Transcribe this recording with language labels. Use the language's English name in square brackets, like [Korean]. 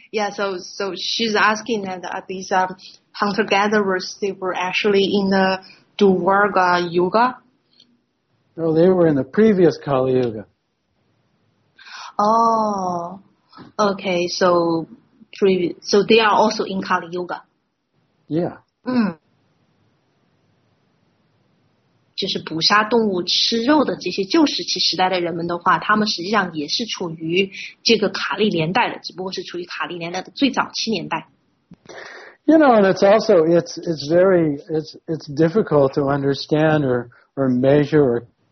[English] Yeah, so she's asking that these hunter-gatherers, they were actually in the Dwarga Yuga? No, they were in the previous Kali Yuga. Oh, okay, so they are also in Kali Yuga. Yeah. [Chinese] 就是捕杀动物吃肉的这些旧石器时代的人们的话，他们实际上也是处于这个卡利年代的，只不过是处于卡利年代的最早期年代。 [English] You know, and it's also it's very it's difficult to understand or measure or